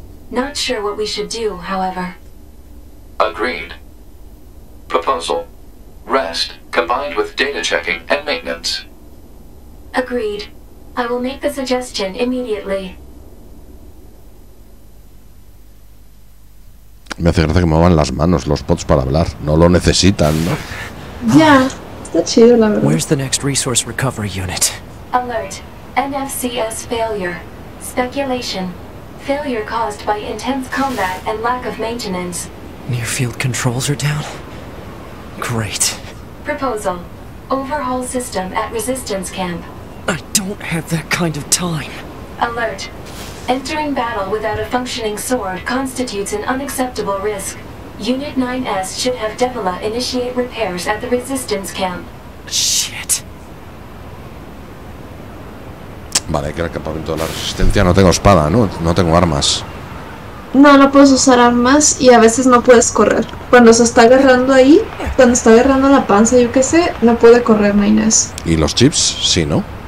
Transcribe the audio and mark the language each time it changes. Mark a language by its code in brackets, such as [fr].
[en] Not sure what we should do, however. Agreed. Proposal. Rest, combined with data checking and maintenance. Agreed. I will make the suggestion immediately. [es] Me hace gracia que muevan las manos los bots para hablar. No lo necesitan, ¿no? Ya, está chido, la verdad. [en] Where's the next resource recovery unit? Alert. NFCS failure. Speculation. Failure caused by intense combat and lack of maintenance. Near field controls are down? Great. Proposal. Overhaul system at resistance camp. I don't have that kind of time. Alert. Entering battle without a functioning sword constitutes an unacceptable risk. Unit 9S should have Devila initiate repairs at the resistance camp. Shit. [es] Vale, hay que ir al campamento de la resistencia. No tengo espada, ¿no? No tengo armas. No, no puedes usar armas y a veces no puedes correr. Cuando se está agarrando ahí, cuando está agarrando la panza, yo qué sé, no puede correr, Maynes. ¿Y los chips? Sí, ¿no?